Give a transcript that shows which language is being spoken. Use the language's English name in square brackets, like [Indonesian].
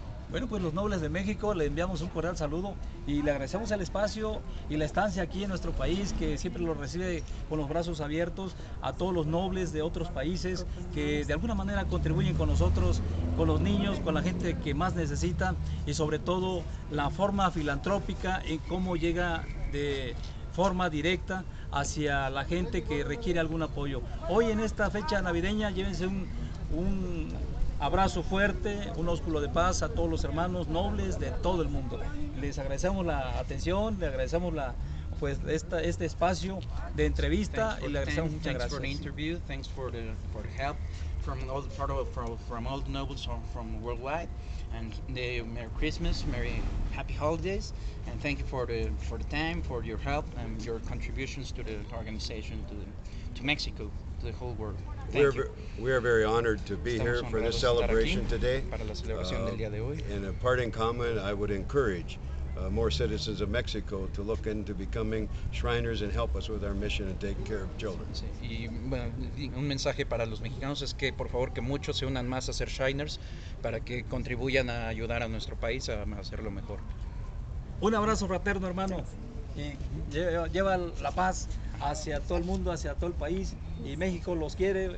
[Spanish] Bueno, pues los nobles de México, le enviamos un cordial saludo y le agradecemos el espacio y la estancia aquí en nuestro país, que siempre lo recibe con los brazos abiertos a todos los nobles de otros países que de alguna manera contribuyen con nosotros, con los niños, con la gente que más necesita, y sobre todo la forma filantrópica en cómo llega de forma directa hacia la gente que requiere algún apoyo. Hoy en esta fecha navideña, llévense un abrazo fuerte, un ósculo de paz a todos los hermanos nobles de todo el mundo. Les agradecemos la atención, le agradecemos este espacio de entrevista, y le agradecemos muchas gracias. [English] Thanks for the interview, thanks for the help from all the nobles from worldwide, and Merry Christmas, Merry Happy Holidays, and thank you for the time, for your help and your contributions to the organization, to Mexico, to the whole world. We are very honored to be here for this celebration today. And a parting comment, I would encourage more citizens of Mexico to look into becoming Shriners and help us with our mission and take care of children. [Spanish] Y un mensaje para los mexicanos es que por favor que muchos se unan más a ser Shriners para que contribuyan a ayudar a nuestro país a hacerlo mejor. Un abrazo fraterno, hermano. Gracias. y lleva la paz hacia todo el mundo, hacia todo el país, y México los quiere.